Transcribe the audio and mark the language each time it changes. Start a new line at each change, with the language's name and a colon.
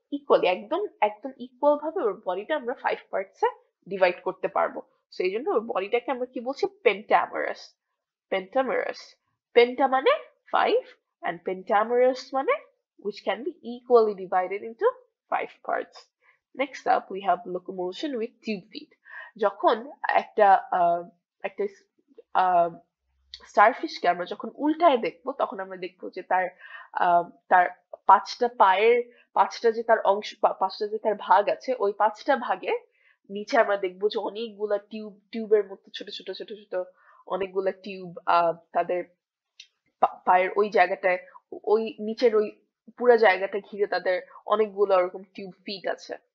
Bangla: Equally, একদম একদম equal ভাবে ওর বডিটা আমরা 5 পার্টসে ডিভাইড করতে পারবো। সো এই জন্য ওর বডিটাকে আমরা কি বলছি, পেন্টামারাস।
English: pentamerous,
Bangla: পেন্টা মানে 5
English: and pentamerous মানে which can be equally divided into 5 parts. Next up we have locomotion with tube feet.
Bangla: যখন একটা একটা স্টারফিশ কে আমরা যখন উল্টায় দেখবো, তখন আমরা দেখবো যে তার তার পাঁচটা পায়ের পাঁচটা যে তার অংশ, পাঁচটা যে তার ভাগ আছে, ওই পাঁচটা ভাগে নিচে আমরা দেখবো যে অনেকগুলা টিউব, টিউবের মতো ছোট ছোট ছোট ছোট অনেকগুলা টিউব তাদের পায়ের ওই জায়গাটায়, ওই নিচের ওই পুরো জায়গাটা ঘিরে তাদের অনেকগুলো ওরকম টিউব ফিট আছে।